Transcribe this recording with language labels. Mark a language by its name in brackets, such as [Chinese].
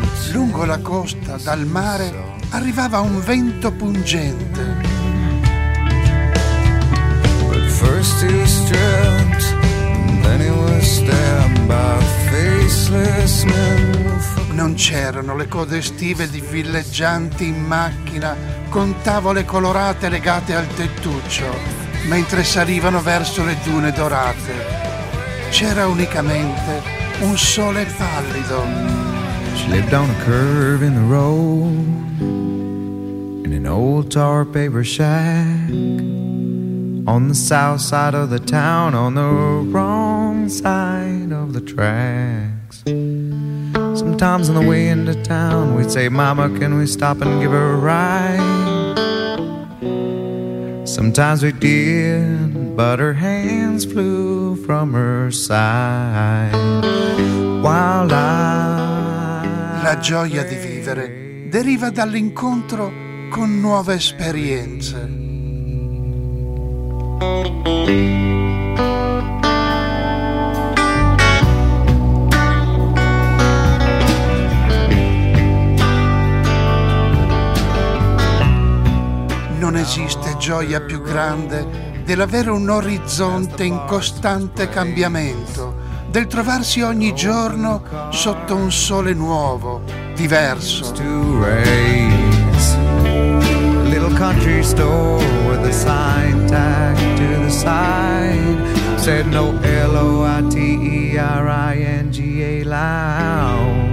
[Italian] Lungo la costa, dal mare, arrivava un vento pungente. [English] First he stripped, then he was stabbed by faceless men. [Italian] Non c'erano le code estive di villeggianti in macchina con tavole colorate legate al tettuccio mentre salivano verso le dune dorate. C'era unicamente un sole pallido. [English] She lived on a curve in the road, in an old tar paper shack, on the south side of the town, on the wrong side of the tracks. Sometimes on the way into town, we'd say, "Mama, can we stop and give her a ride?" Sometimes we did, but her hands flew from her side. While [Italian] la gioia di vivere deriva dall'incontro con nuove esperienze. Non esiste gioia più grande dell'avere un orizzonte in costante cambiamento, del trovarsi ogni giorno sotto un sole nuovo, diverso. [English] A little country store with a sign tacked to the side said no L-O-I-T-E-R-I-N-G-A loud.